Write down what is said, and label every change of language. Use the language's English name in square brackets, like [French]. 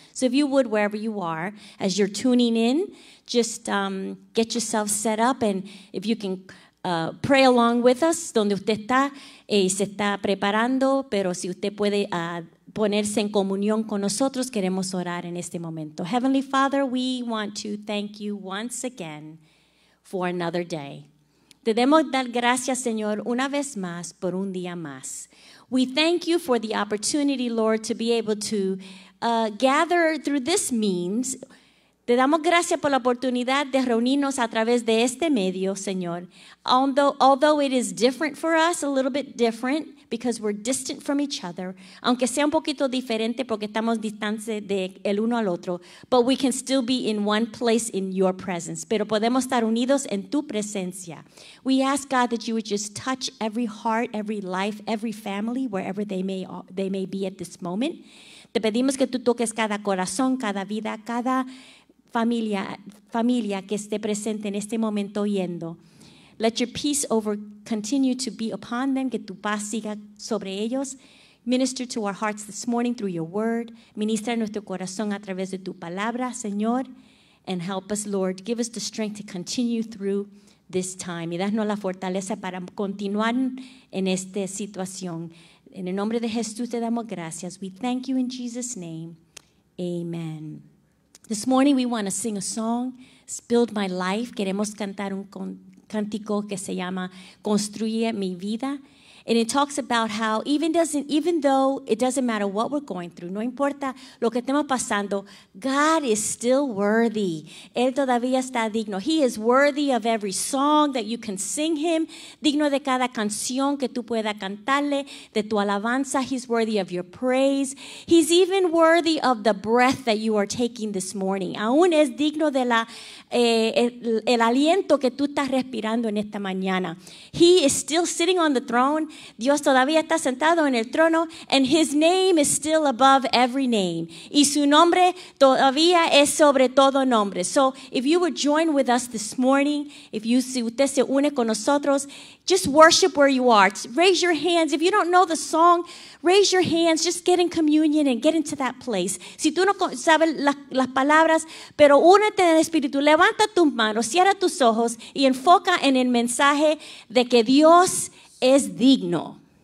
[English] So if you would, wherever you are, as you're tuning in, just get yourself set up, and if you can pray along with us, [Spanish] donde usted está, se está preparando, pero si usted puede ponerse en comunión con nosotros, queremos orar en este momento. [English] Heavenly Father, we want to thank you once again for another day. [Spanish] Te debemos dar gracias, Señor, una vez más por un día más. [English] We thank you for the opportunity, Lord, to be able to gather through this means. [Spanish] Te damos gracias por la oportunidad de reunirnos a través de este medio, Señor. [English] Although it is different for us, a little bit different, because we're distant from each other, [Spanish] aunque sea un poquito diferente porque estamos distantes de el uno al otro, [English] but we can still be in one place in your presence. [Spanish] Pero podemos estar unidos en tu presencia. [English] We ask, God, that you would just touch every heart, every life, every family, wherever they may be at this moment. [Spanish] Te pedimos que tú toques cada corazón, cada vida, cada familia que esté presente en este momento oyendo. [English] Let your peace over continue to be upon them. [Spanish] Que tu paz siga sobre ellos. [English] Minister to our hearts this morning through your word. [Spanish] Ministra nuestro corazón a través de tu palabra, Señor. [English] And help us, Lord. Give us the strength to continue through this time. [Spanish] Y danos la fortaleza para continuar en esta situación. En el nombre de Jesús te damos gracias. [English] We thank you in Jesus' name. Amen. This morning we want to sing a song. Spilled my life. [Spanish] Queremos cantar un cántico que se llama Construye mi vida. [English] And it talks about how even though it doesn't matter what we're going through, [Spanish] no importa lo que estemos pasando, [English] God is still worthy. [Spanish] Él todavía está digno. [English] He is worthy of every song that you can sing him, [Spanish] digno de cada canción que tú puedas cantarle, de tu alabanza. [English] He's worthy of your praise. He's even worthy of the breath that you are taking this morning. [Spanish] Aún es digno de la el aliento que tú estás respirando en esta mañana. [English] He is still sitting on the throne. [Spanish] Dios todavía está sentado en el trono, [English] and his name is still above every name. [Spanish] Y su nombre todavía es sobre todo nombre. [English] So if you would join with us this morning, [Spanish] si usted se une con nosotros, [English] just worship where you are. Raise your hands. If you don't know the song, raise your hands. Just get in communion and get into that place. [Spanish] Si tú no sabes las palabras, pero únete en el Espíritu. Levanta tus manos, cierra tus ojos y enfoca en el mensaje de que Dios es digno.